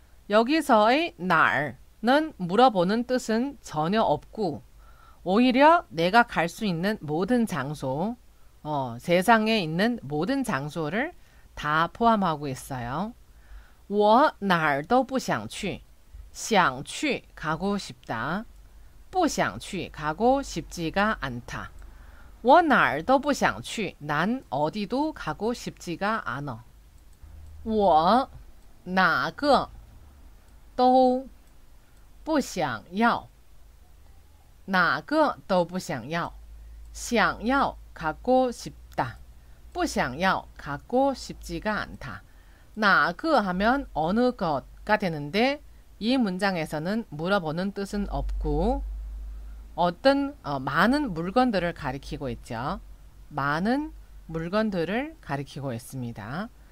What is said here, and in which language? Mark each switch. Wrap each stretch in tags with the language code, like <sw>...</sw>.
<ko>여기서의 날은 물어보는 뜻은 전혀 없고, 오히려 내가 갈수 있는 모든 장소, 세상에 있는 모든 장소를 다 포함하고 있어요.</ko> <zh>我哪儿都不想去.想去, 가고 싶다.</zh> <ko>不想去, 가고 싶지가 않다.</ko> <zh>我哪儿都不想去.</zh> <ko>난 어디도 가고 싶지가 않아.</ko> <zh>我哪个都不想要. 哪个都不想要. 想要</zh> <ko>갖고 싶다. 不想要, 갖고 싶지가 않다. 나그 하면 어느 것가 되는데 이 문장에서는 물어보는 뜻은 없고 어떤 많은 물건들을 가리키고 있죠. 많은 물건들을 가리키고 있습니다.</ko>